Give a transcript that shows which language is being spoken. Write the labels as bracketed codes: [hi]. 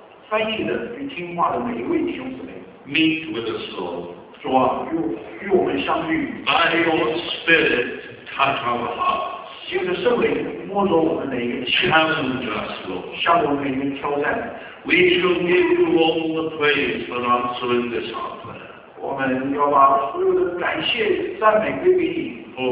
[zh] 求你用双倍的圣灵，晚上高摩说话的、翻译的与听话的每一位弟兄姊妹。 [en] Meet with us, Lord. [zh] 主啊，与我们相遇。 [en] By your Spirit, touch our hearts. [zh] 借着圣灵摸着我们每一个心，向我们每一个挑战。We [en] shall give you all the praise for answering this our prayer. [zh] 我们要把所有的感谢赞美归给你。For